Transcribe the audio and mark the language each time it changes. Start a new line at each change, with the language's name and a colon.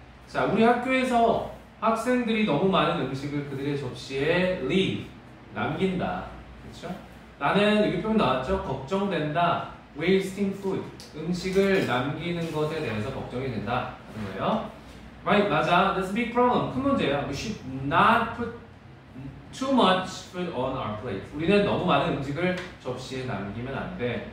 Korean: 자, 우리 학교에서 학생들이 너무 많은 음식을 그들의 접시에 leave, 남긴다. 그렇죠? 나는 여기 표현 나왔죠? 걱정된다.
English: Wasting food.
Korean: 음식을 남기는 것에 대해서 걱정이 된다. 하는 거예요.
English: Right,
Korean: 맞아.
English: That's a big problem.
Korean: 큰 문제예요.
English: We should not put too much food on our plate.
Korean: 우리는 너무 많은 음식을 접시에 남기면 안 돼.